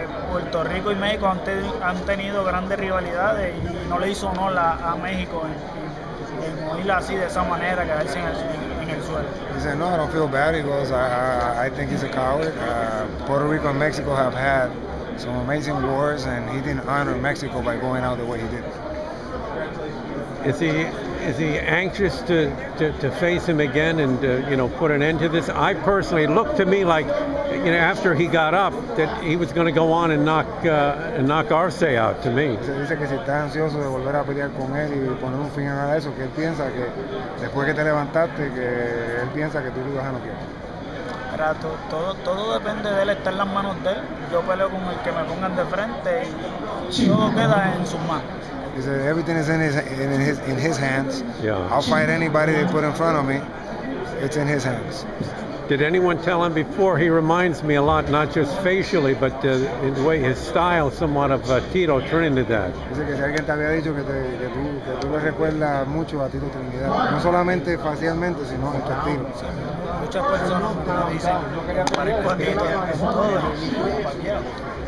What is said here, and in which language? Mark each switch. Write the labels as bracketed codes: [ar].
[es] Puerto Rico y México han tenido grandes rivalidades y no le hizo honor a México en morirla así de esa manera, quedarse en el suelo. [en] He said, no, I don't feel bad. He goes, I think he's a coward. Puerto Rico and Mexico have had some amazing wars, and he didn't honor Mexico by going out the way he did. Is he anxious to face him again and, put an end to this? I personally, looked to me like, after he got up, that he was going to go on and knock Arce out, to me. [es] He dice que si está ansioso de volver a pelear con él y poner un fin a eso, que él piensa que después que te levantaste, que él piensa que tú lo vas a noquear. Todo depende de él, está en las manos de él. Yo peleo con el que me pongan de frente y todo queda en sus manos. [en] He said, everything is in his hands. Yeah. I'll fight anybody they put in front of me. It's in his hands. Did anyone tell him before? He reminds me a lot, not just facially, but in the way his style, somewhat of Tito Trinidad. He said, if anyone had told you that you remember a lot of Tito Trinidad, not only facially, but in your style. Many people